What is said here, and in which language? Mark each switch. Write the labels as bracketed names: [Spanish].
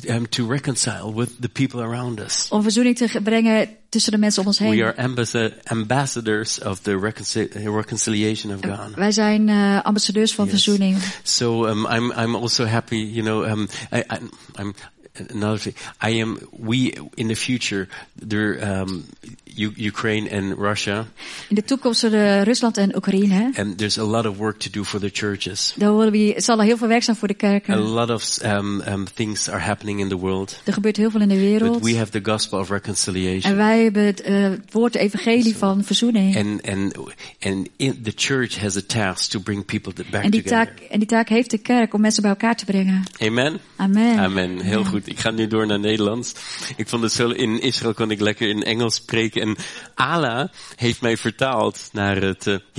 [English] To reconcile with the people around us. [Dutch] Om verzoening te brengen tussen de mensen om ons heen. [English] We are ambassadors of the reconciliation of God. [Dutch] Wij zijn ambassadeurs van verzoening. [English] So I'm also happy, you know, I'm another thing. We in the future there Ukraine and Russia. [Dutch] In de toekomst zullen Rusland en Oekraïne. [English] And there's a lot of work to do for the churches. [Dutch] Zal er heel veel werk zijn voor de kerken. [English] A lot of things are happening in the world. [Dutch] Er gebeurt heel veel in de wereld. [English] But we have the gospel of reconciliation. [Dutch] En wij hebben het woord evangelie van verzoening. [English] And the church has a task to bring people back together. [Dutch] En die taak heeft de kerk om mensen bij elkaar te brengen. Amen. Amen. Amen. Heel goed. Ik ga nu door naar Nederlands. Ik vond het zo, in Israël kon ik lekker in Engels spreken. En Ala heeft mij vertaald naar het.